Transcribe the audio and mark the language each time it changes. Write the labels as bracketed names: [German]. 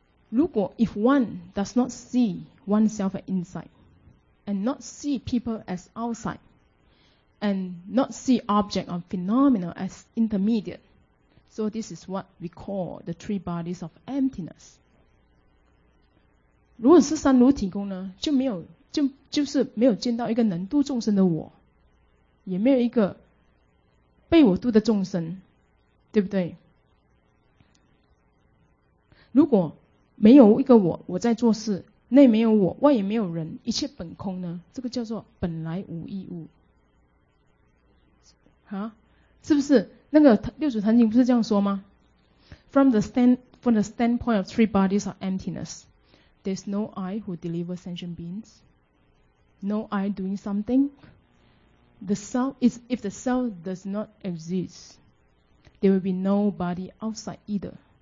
[Chinese] 如果 [English] if one does not see oneself as inside, and not see people as outside, and not see object or phenomena as intermediate, so this is what we call the three bodies of emptiness. [Chinese] 如果是三如体空呢，就没有就是没有见到一个能度众生的我，也没有一个被我度的众生，对不对？如果没有一个我，我在做事，内没有我，外也没有人，一切本空呢，这个叫做本来无一物啊，是不是？那个六祖坛经不是这样说吗？ [English] From the standpoint of three bodies of emptiness, there's no I who delivers sentient beingsNo I doing something. The self is, if the self does not exist, there will be nobody outside either.